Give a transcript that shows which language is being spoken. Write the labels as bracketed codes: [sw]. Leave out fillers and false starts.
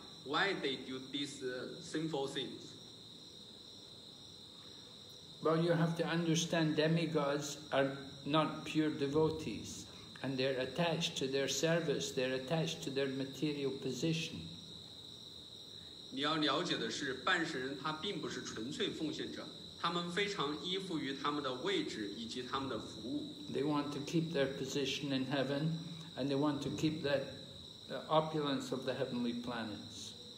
[en] Why they do these sinful things? Well, you have to understand demigods are not pure devotees and they're attached to their service, they're attached to their material position. [zh] 你要了解的是，半神人他并不是纯粹奉献者，他们非常依附于他们的位置以及他们的服务。 [en] They want to keep their position in heaven and they want to keep that opulence of the heavenly planets.